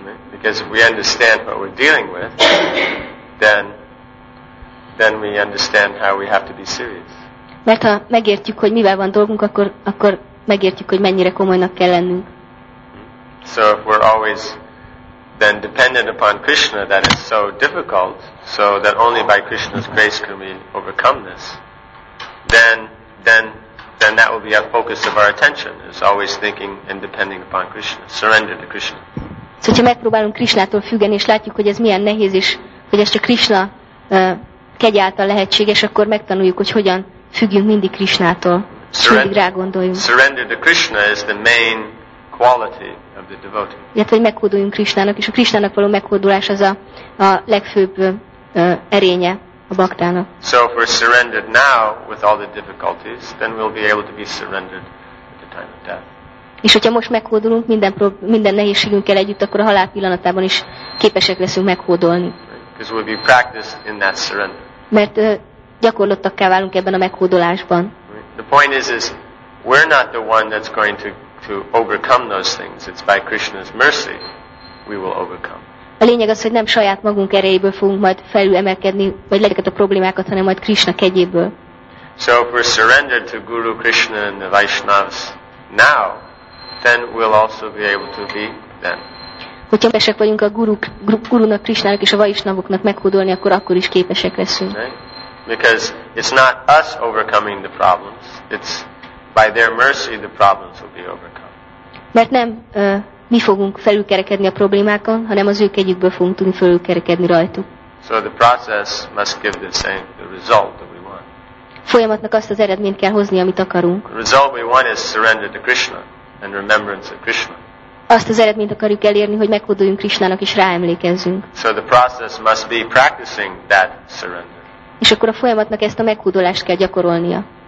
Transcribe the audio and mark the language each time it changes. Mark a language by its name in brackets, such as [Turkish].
[English] Because if we understand what we're dealing with, then we understand how we have to be serious. [Hungarian] Mert ha megértjük, hogy mivel van dolgunk, akkor megértjük, hogy mennyire komolynak kell lennünk. [English] So if we're always then dependent upon Krishna, that is so difficult, so that only by Krishna's grace can we overcome this, then that will be a focus of our attention, is always thinking and depending upon Krishna, surrender to Krishna. [Hungarian] So, ha megpróbálunk Krishnától függeni, és látjuk, hogy ez milyen nehéz, és hogy ez csak Krishna kegye által lehetséges, akkor megtanuljuk, hogy hogyan függjünk mindig Krishnától. Mindig rá gondoljunk. [English] Surrender to Krishna is the main quality of the devotee. [Hungarian] Illetve, hogy meghódoljunk Krishnának, és a Krishnának való meghódolás az a legfőbb erénye a baktának. [English] So if we're surrendered now with all the difficulties, then we'll be able to be surrendered at the time of death. [Hungarian] És hogyha most meghódolunk minden nehézségünkkel együtt, akkor a halál pillanatában is képesek leszünk meghódolni. [English] Because we'll be practiced in that surrender. [Hungarian] Mert gyakorlottakká válunk ebben a meghódolásban. [English] The point is we're not the one that's going to overcome those things. It's by Krishna's mercy we will overcome. [Hungarian] A lényeg az, hogy nem saját magunk erejéből fogunk majd felülemelkedni, vagy legyeket a problémákat, hanem majd Krishna kegyéből. [English] So if we're surrendered to Guru Krishna and the Vaishnavas now, then we'll also be able to be then. [Hungarian] Hogyha képesek vagyunk a gurunak, Krishnának és a Vaishnavoknak meghódolni, akkor is képesek leszünk. [English] Because it's not us overcoming the problems, it's by their mercy the problems will be overcome. [Hungarian] Mert nem mi fogunk felülkerekedni a problémákon, hanem az ő kegyükből fogunk tudni felülkerekedni rajtuk. [English] So the process must give the same the result that we want. [Hungarian] Folyamatnak azt az eredményt kell hozni, amit akarunk. [English] The result we want is surrender to Krishna and remembrance of Krishna. [Hungarian] Azt az eredményt akarjuk elérni, hogy meghódoljunk Krishnának és ráemlékezzünk. [English] So the process must be practicing that surrender. [Hungarian] És akkor a folyamatnak ezt a meghódolást kell gyakorolnia.